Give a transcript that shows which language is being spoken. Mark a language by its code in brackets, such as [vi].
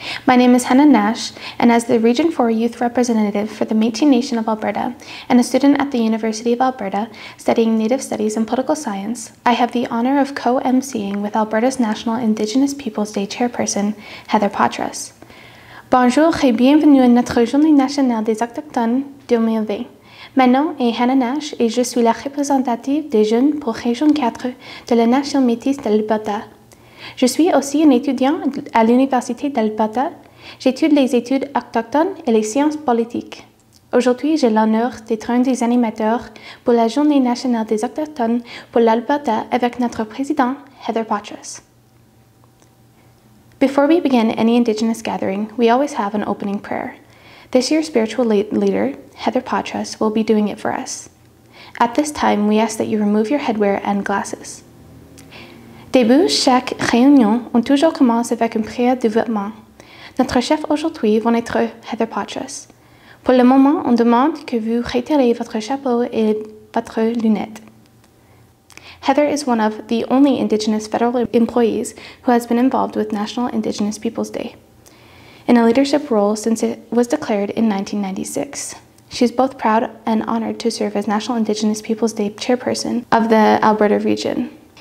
[en] My name is Hannah Nash, and as the Region 4 Youth Representative for the Métis Nation of Alberta and a student at the University of Alberta studying Native Studies and Political Science, I have the honour of co-emceeing with Alberta's National Indigenous Peoples Day Chairperson, Heather Poitras. [fr] Bonjour et bienvenue à notre Journée Nationale des Autochtones 2020. Mon nom est Hannah Nash et je suis la représentative des jeunes pour Région 4 de la Nation Métis d'Alberta. Je suis aussi une étudiante à l'Université d'Alberta. J'étudie les études autochtones et les sciences politiques. Aujourd'hui, j'ai l'honneur d'être un des animateurs pour la Journée nationale des Autochtones pour l'Alberta avec notre président, Heather Poitras. [en] Before we begin any Indigenous gathering, we always have an opening prayer. This year's spiritual leader, Heather Poitras, will be doing it for us. At this time, we ask that you remove your headwear and glasses. [fr] Début chaque réunion, on toujours commence avec une prière de vêtement. Notre chef aujourd'hui va être Heather Poitras. Pour le moment, on demande que vous retirez votre chapeau et votre lunette. [en] Heather is one of the only Indigenous federal employees who has been involved with National Indigenous Peoples Day. In a leadership role since it was declared in 1996. She's both proud and honored to serve as National Indigenous Peoples Day Chairperson of the Alberta region.